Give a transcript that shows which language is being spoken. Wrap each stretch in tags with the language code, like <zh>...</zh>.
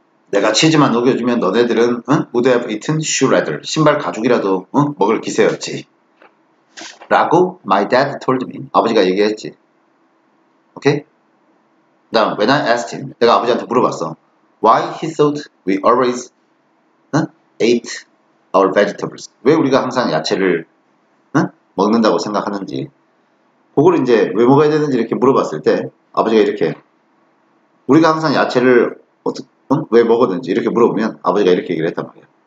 <ko>내가 치즈만 녹여주면 너네들은</ko> <en>would have eaten shoe leather.</en> <ko>신발 가죽이라도 먹을 기세였지. 라고</ko> <en>my dad told me.</en> <ko>아버지가 얘기했지. 오케이? 그 다음</ko> <en>when I asked him.</en> <ko>내가 아버지한테 물어봤어.</ko> <en>Why he thought we always ate our vegetables.</en> <ko>왜 우리가 항상 야채를 먹는다고 생각하는지. 그걸 이제 왜 먹어야 되는지 이렇게 물어봤을 때 아버지가 이렇게 우리가 항상 야채를 어떻게 왜 먹었는지 이렇게 물어보면 아버지가 이렇게 얘기를 했단 말이야.</ko>